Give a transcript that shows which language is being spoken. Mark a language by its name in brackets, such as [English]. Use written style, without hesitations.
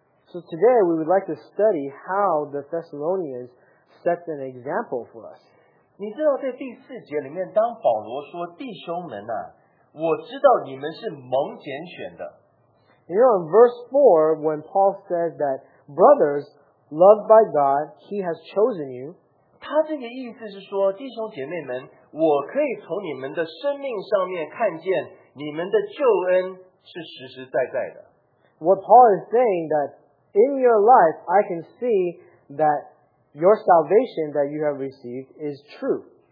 [English] So today we would like to study how the Thessalonians set an example for us. [Chinese] 你知道在第四节里面，当保罗说弟兄们啊，我知道你们是蒙拣选的。 [English] You know, in verse 4, when Paul says that brothers loved by God, He has chosen you. [Chinese] 他这个意思是说，弟兄姐妹们，我可以从你们的生命上面看见你们的救恩是实实在在的。 [English] What Paul is saying that in your life, I can see that your salvation that you have received is true.